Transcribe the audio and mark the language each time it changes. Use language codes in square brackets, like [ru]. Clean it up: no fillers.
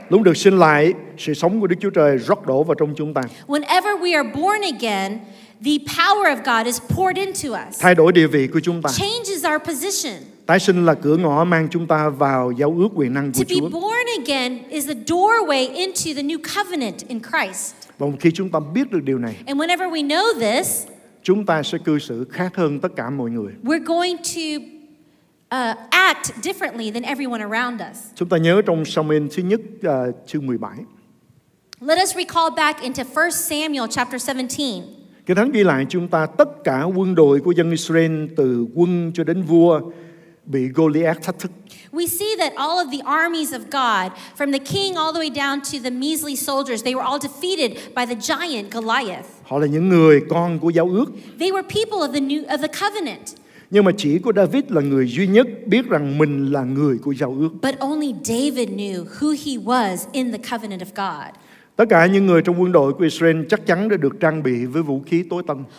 [vi] Lúc được sinh lại, sự sống của Đức Chúa Trời rót đổ vào trong chúng ta. [en] Whenever we are born again, the power of God is poured into us. [vi] Thay đổi địa vị của chúng ta. [en] Changes our position. [vi] Tái sinh là cửa ngõ mang chúng ta vào giao ước quyền năng của Chúa. [en] To be born again is the doorway into the new covenant in Christ. [vi] Và khi chúng ta biết được điều này, [en] and whenever we know this, [vi] chúng ta sẽ cư xử khác hơn tất cả mọi người. [en] We're going to act differently than everyone around us. [vi] Chúng ta nhớ trong Samuel thứ nhất chương 17. [en] Let us recall back into 1 Samuel chapter 17. [vi] Kinh Thánh ghi lại chúng ta tất cả quân đội của dân Israel từ quân cho đến vua bị Goliath thách thức. [en] We see that all of the armies of God, from the king all the way down to the measly soldiers, they were all defeated by the giant Goliath. [vi] Họ là những người con của giao ước. [en] They were people of the covenant. [vi] Nhưng mà chỉ có David là người duy nhất biết rằng mình là người của giao ước. [en] But only David knew who he was in the covenant of God. [vi] Tất cả những người trong quân đội của Israel chắc chắn đã được trang bị với vũ khí tối tân.